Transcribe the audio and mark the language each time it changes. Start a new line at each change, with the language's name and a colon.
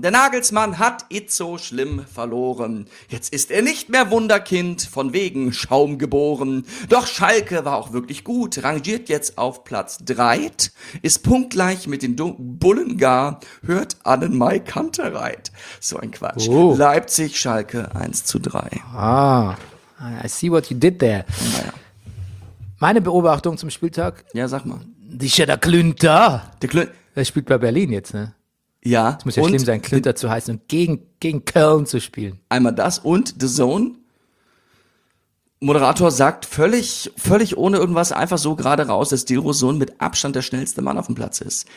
German: Der Nagelsmann hat Itzo schlimm verloren. Jetzt ist er nicht mehr Wunderkind, von wegen Schaum geboren. Doch Schalke war auch wirklich gut, rangiert jetzt auf Platz 3, ist punktgleich mit den Bullen gar, hört an den Mai Kantereit. So ein Quatsch. Oh. Leipzig, Schalke 1-3.
English: Ah, I see what you did there.
German: Naja. Meine Beobachtung zum Spieltag. Ja, sag mal. Die ist ja der Klünter. Der Klünter. Er spielt bei Berlin jetzt, ne? Ja. Es muss ja schlimm sein, Klünter zu heißen und gegen Köln zu spielen. Einmal das und The Zone. Moderator sagt völlig ohne irgendwas einfach so gerade raus, dass Dilrosun mit Abstand der schnellste Mann auf dem Platz ist.